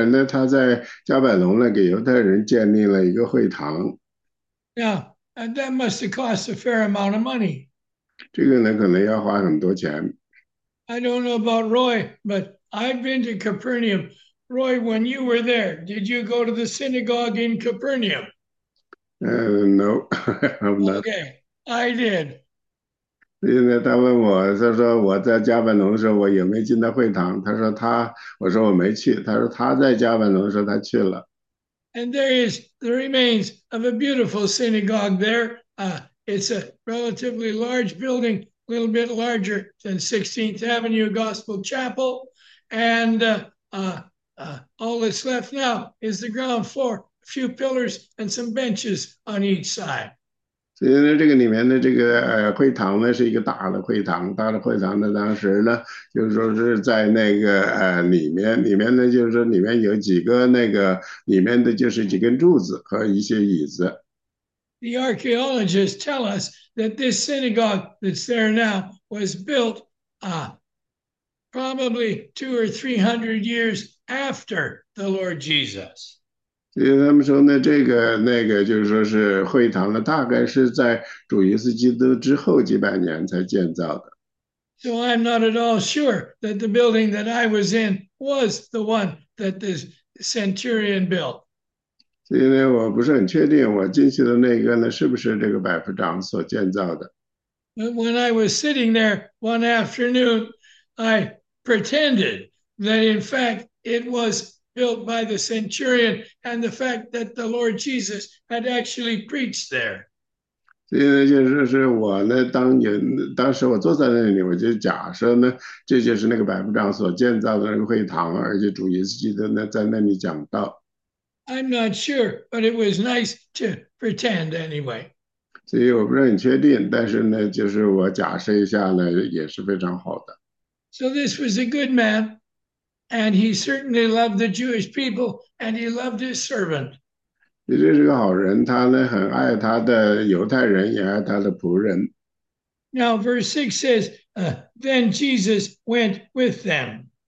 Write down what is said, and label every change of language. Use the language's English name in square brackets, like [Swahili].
[Chinese] 他爱犹太人，犹太人呢，他在加百农呢，给犹太人建立了一个会堂。 [English] Now, that must have cost a fair amount of money. [Chinese] 这个呢，可能要花很多钱。 [English] I don't know about Roy, but I've been to Capernaum. Roy, when you were there, did you go to the synagogue in Capernaum? No, I'm not. Okay, I did. [Chinese] 现在他问我，他说我在加百农的时候，我有没有进到会堂？他说他，我说我没去。他说他在加百农的时候，他去了。 [English] And there is the remains of a beautiful synagogue there. It's a relatively large building, a little bit larger than 16th Avenue Gospel Chapel. And all that's left now is the ground floor, a few pillars and some benches on each side. [Chinese] 所以呢，这个里面的这个会堂呢，是一个大的会堂。大的会堂呢，当时呢，就是说是在那个里面，里面呢，就是说里面有几个那个里面的就是几根柱子和一些椅子。 [English] The archaeologists tell us that this synagogue that's there now was built probably 200 or 300 years after the Lord Jesus. [Chinese] 所以他们说呢，这个那个就是说是会堂呢，大概是在主耶稣基督之后几百年才建造的。 [English] So I'm not at all sure that the building that I was in was the one that the centurion built. [Chinese] 所以呢，我不是很确定，我进去的那个呢，是不是这个百夫长所建造的。 [English] When I was sitting there one afternoon, I pretended that in fact it was built by the centurion and the fact that the Lord Jesus had actually preached there. [Chinese] 所以呢，就是说我呢，当时我坐在那里，我就假设呢，这就是那个百夫长所建造的那个会堂，而且主耶稣基督呢在那里讲道。 [English] I'm not sure, but it was nice to pretend anyway. [Chinese] 所以我不是很确定，但是呢，就是我假设一下呢，也是非常好的。 [English] So this was a good man, and he certainly loved the Jewish people, and he loved his servant. [Chinese] 也就是个好人，他呢很爱他的犹太人，也爱他的仆人。 [English] Now verse 6 says, then Jesus went with them.